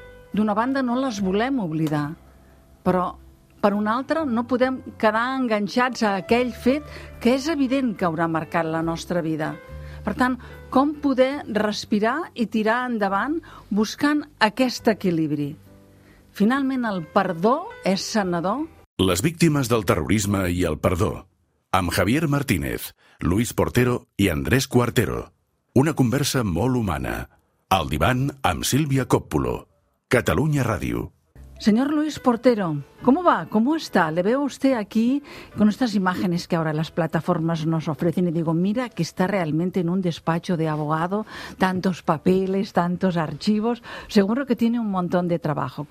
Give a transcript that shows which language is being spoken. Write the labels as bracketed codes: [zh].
[ca] D'una banda, no les volem oblidar, però per una altra, no podem quedar enganxats a aquell fet que és evident que haurà marcat la nostra vida. Per tant, com poder respirar i tirar endavant buscant aquest equilibri? Finalment, el perdó és sanador? Les víctimes del terrorisme i el perdó. Amb Javier Martínez, Luis Portero i Andrés Cuartero. Una conversa molt humana. Al divan amb Sílvia Coppolo. Catalunya Ràdio. [es] Señor Luis Portero, ¿cómo va? ¿Cómo está? Le veo a usted aquí con estas imágenes que ahora las plataformas nos ofrecen y digo, mira que está realmente en un despacho de abogado, tantos papeles, tantos archivos, seguro que tiene un montón de trabajo.